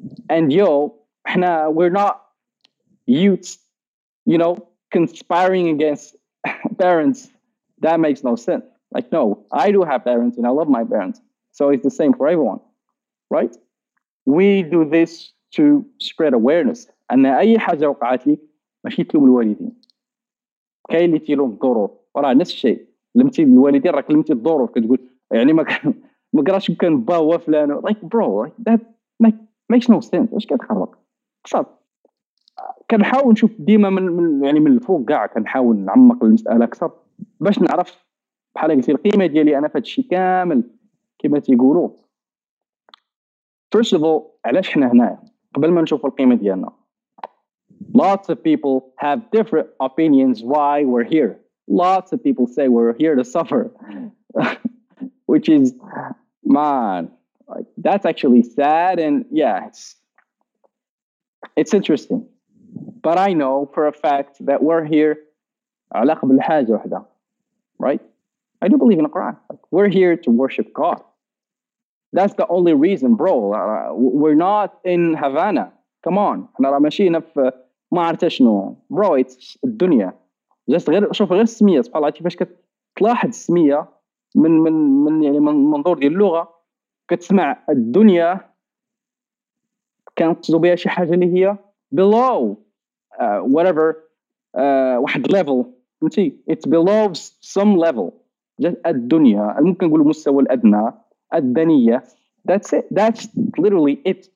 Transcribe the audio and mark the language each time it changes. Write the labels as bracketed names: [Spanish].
[English] And yo, we're not youths, you know, conspiring against parents. That makes no sense. Like, no, I do have parents and I love my parents, so it's the same for everyone, right? We do this to spread awareness. And any [Arabic] حاجة وقعت لي ماشي تلوم الوالدين، كاين اللي تلوم الظروف وراه نفس الشيء. لمتي الوالدين راك لمتي الظروف، كتقول يعني ما قراش كان با هو فلان، [English] like bro, like that makes no sense. [Arabic] واش كتخرب صافي. كنحاول نشوف ديما من يعني من الفوق قاع، كنحاول نعمق المساله اكثر باش نعرف بحال قلت القيمه ديالي انا في هذا الشيء كامل كما تيقولوا. [English] First of all [Arabic] علاش حنا هنا قبل ما نشوف القيمه ديالنا. [English] Lots of people have different opinions why we're here. Lots of people say we're here to suffer which is man like that's actually sad and yeah it's interesting. But I know for a fact that we're here [Arabic] على قبل حاجة واحدة [English] right. I do believe in the Quran. Like, we're here to worship God. That's the only reason bro. We're not in Havana. Come on. [Arabic] احنا راه ماشي هنا في ما عرفت شنو [English] bro. It's [Arabic] الدنيا just غير شوف غير السمية سبحان الله. كيفاش كتلاحظ السمية من من من يعني من منظور ديال اللغة كتسمع الدنيا كانت تقصد بها شي حاجة اللي هي [English] below whatever [Arabic] واحد level فهمتي [English] it below some level just [Arabic] الدنيا ممكن نقول المستوى الادنى الدنيه [English] that's it that's literally it.